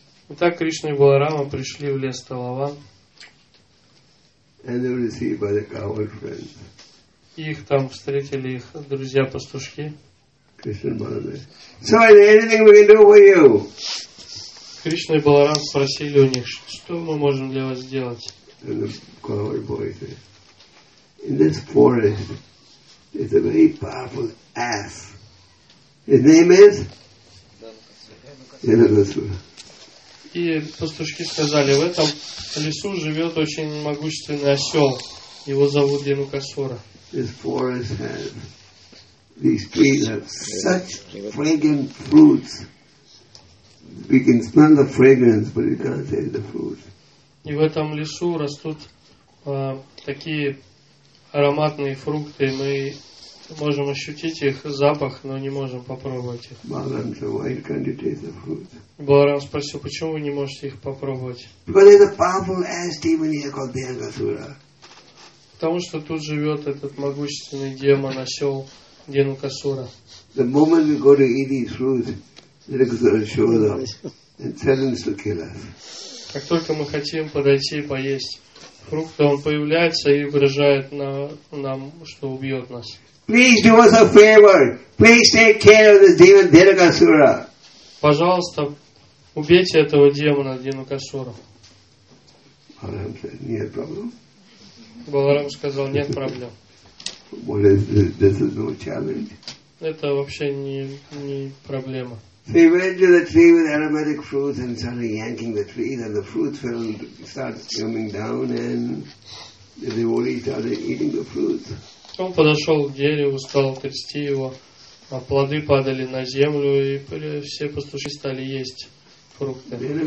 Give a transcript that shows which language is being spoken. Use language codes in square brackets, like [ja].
[ru] Итак, Кришна и Баларама пришли в лес Талаван. [en] And they were received by the cowherd friends. [ru] Их там встретили их друзья пастушки. [en] So is there anything we can do for you? [ru] Кришна и Баларам спросили у них, что мы можем для вас сделать. [en] And the cowherd boy said, in this forest is a very powerful ass. His name is. [ru] И пастушки сказали, в этом лесу живет очень могущественный осел. Его зовут Янукасура. [en] This forest has these trees have such fragrant fruits. We can smell the fragrance, but you can't taste the fruit. [ru] И в этом лесу растут такие ароматные фрукты. Мы можем ощутить их запах, но не можем попробовать их. [en] Balaram said, why can't you taste the fruit? [ru] Баларам спросил, почему вы не можете их попробовать? [en] Because there's a powerful ass demon here called Янукасура. [ru] Потому что тут живет этот могущественный демон, осел Янукасура. [en] The moment we go to eat these fruits, Янукасура shows up and threatens to kill us. [ru] Как только мы хотим подойти и поесть фрукты, он появляется и угрожает нам, что убьет нас. [en] Please do us a favor. Please take care of this demon, Янукасура. [ru] Пожалуйста, убейте этого демона, Янукасура. Баларам [en] said, [ru] нет проблем. Баларам сказал, нет проблем. [en] What is this? This is no challenge. [ru] Это вообще не проблема. [en] So he went to the tree with aromatic fruits and started yanking the tree, and the fruits started coming down, and the devotees started eating the fruits. [ru] Он подошел к дереву, стал трясти его, а плоды падали на землю, и все пастушки стали есть фрукты.